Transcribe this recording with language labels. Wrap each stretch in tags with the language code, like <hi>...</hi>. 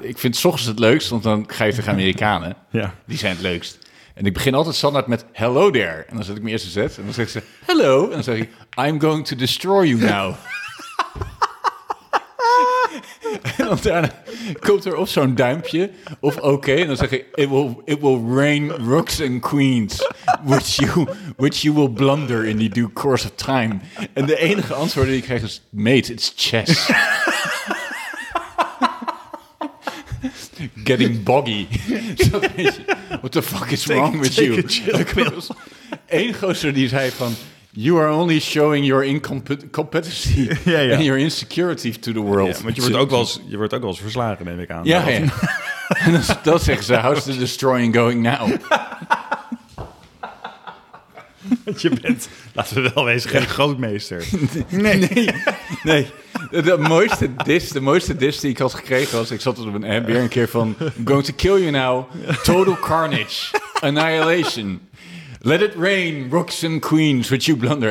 <nl>Ik vind 's ochtends het leukst, want dan ga je tegen Amerikanen. Ja. Die zijn het leukst. En ik begin altijd standaard met</nl> <en>hello there.</en> <nl>En dan zet ik mijn eerste zet. En dan zegt ze hello. En dan zeg ik</nl> <en>I'm going to destroy you now.</en> <nl>En dan daarna komt er of zo'n duimpje of oké. En dan zeg je,</nl> <en>it will rain rooks and queens, which you will blunder in the due course of time.</en> <nl>En de enige antwoord die ik krijg is,</nl> <en>mate, it's chess. Getting boggy. What the fuck is wrong with you?</en> <nl>Eén gozer die zei van,</nl> <en>you are only showing your incompetency and your insecurity to the world.</en> <nl>Want je wordt ook wel eens verslagen, neem ik aan. Ja, ja. En dat zeggen ze,</nl> <en>how's the destroying going now?</en> <nl>Want je bent, laten we wel wezen, geen grootmeester. Nee. De mooiste dis die ik had gekregen was, ik zat op een app weer een keer van,</nl> <en>I'm going to kill you now, total carnage, annihilation. Let it rain, rooks and queens, which you blunder.</en>